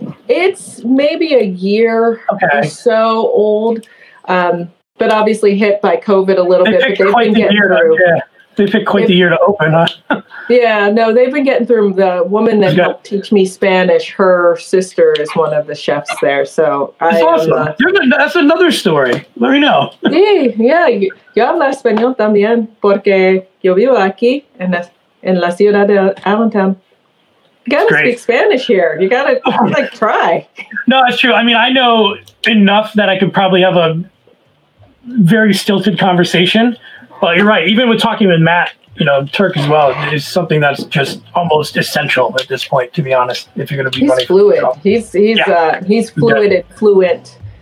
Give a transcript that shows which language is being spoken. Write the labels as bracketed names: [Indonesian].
[English] It's maybe a year or so old, but obviously hit by COVID a little bit. They picked quite the year. They picked quite the year to open, huh? Yeah, no, they've been getting through. The woman that helped teach me Spanish, her sister is one of the chefs there. So Awesome. That's another story. Let me know. [Spanish] Yeah, yo hablo español también porque yo vivo aquí en la ciudad de Allentown. [English] You gotta speak Spanish here. You gotta try. No, that's true. I mean, I know enough that I could probably have a very stilted conversation. But you're right. Even with talking with Matt, you know, Turk as well, is something that's just almost essential at this point, to be honest. If you're gonna be he's fluid. He's fluid and fluent.